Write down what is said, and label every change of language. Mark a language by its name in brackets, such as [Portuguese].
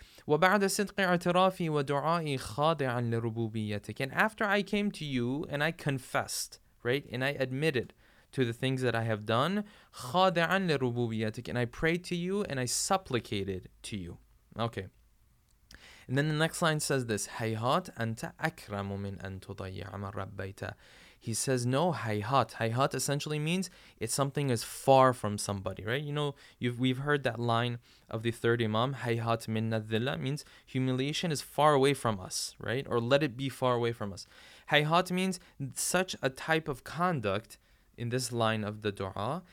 [Arabic] وَبَعْدَ صِدْقِ اَعْتِرَافِي وَدُعَائِي خَاضِعًا لِرُبُوبِيَّتِكَ, [English] and after I came to you and I confessed, right, and I admitted to the things that I have done, [Arabic] خَاضِعًا لِرُبُوبِيَّتِكَ, [English] and I prayed to you and I supplicated to you. Okay. And then the next line says this, [Arabic] هَيْهَاتْ أَنْتَ أَكْرَمُ مِنْ أَنْ تُضَيِّعَ مَنْ رَبَّيْتَ. [English] He says, no, hayhat. Hayhat essentially means it's something is far from somebody, right? You know, we've heard that line of the third imam, hayhat minna dhilla, means humiliation is far away from us, right? Or let it be far away from us. Hayhat means such a type of conduct in this line of the dua.